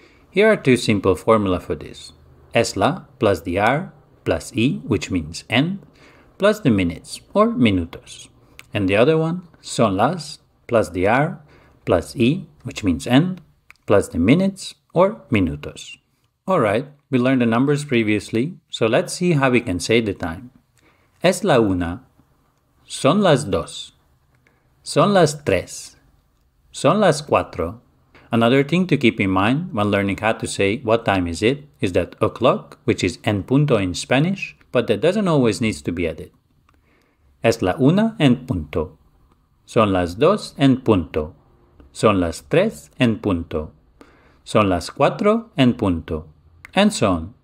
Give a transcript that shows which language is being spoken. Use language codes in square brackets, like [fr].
[en] Here are two simple formula for this. Es la plus the hour plus e, which means n, plus the minutes or minutos. And the other one, son las plus the hour plus e, which means n, plus the minutes or minutos. Alright, we learned the numbers previously, so let's see how we can say the time. [es] Es la una, son las dos, son las tres, son las cuatro. [en] Another thing to keep in mind when learning how to say what time is it is that o'clock, which is en punto in Spanish, but that doesn't always need to be added. [es] Es la una en punto, son las dos en punto, son las tres en punto, son las cuatro en punto, [en] and so on.